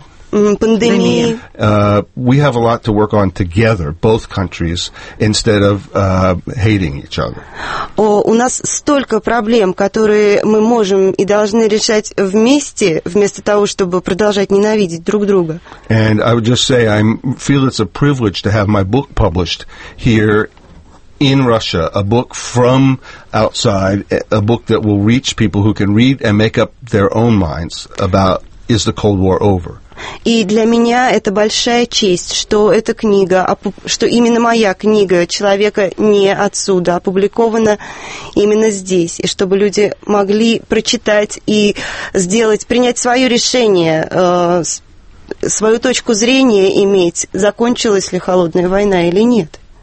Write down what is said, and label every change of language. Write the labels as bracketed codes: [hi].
[ru] Пандемии. [en] We have a lot to work on together, both countries, instead of hating each other. [ru] У нас столько проблем, которые мы можем и должны решать вместе, вместо того, чтобы продолжать ненавидеть друг друга. [en] And I would just say, I feel it's a privilege to have my book published here in Russia, a book from outside, a book that will reach people who can read and make up their own minds about, is the Cold War over? [ru] И для меня это большая честь, что эта книга, что именно моя книга «Человека не отсюда» опубликована именно здесь, и чтобы люди могли прочитать и сделать, принять свое решение, свою точку зрения иметь, закончилась ли холодная война или нет.